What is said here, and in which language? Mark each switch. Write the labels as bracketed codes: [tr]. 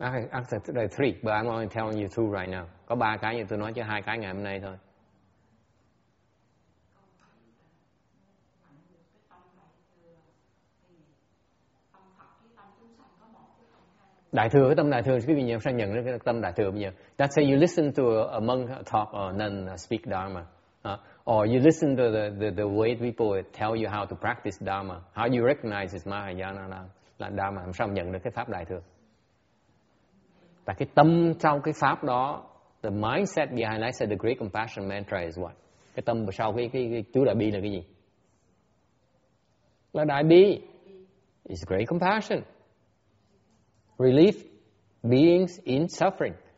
[en] Answer to the three, but I'm only telling you two right now. [vi] Có ba cái như tôi nói, chứ hai cái ngày hôm nay thôi. Đại thừa, cái tâm đại thừa, quý vị nhận sang nhận cái tâm đại thừa bây giờ. [en] Let's say you listen to a monk talk or nun speak Dharma. Or you listen to the way people tell you how to practice Dharma. How you recognize it's Mahayana [vi] là Dharma, làm sao nhận được cái pháp đại thừa. Và cái tâm sau cái pháp đó, [en] the mindset behind, I said the great compassion mantra is what? [vi] Cái tâm sau cái chú đại bi là cái gì? Là đại bi. [en] It's great compassion. Relief beings in suffering.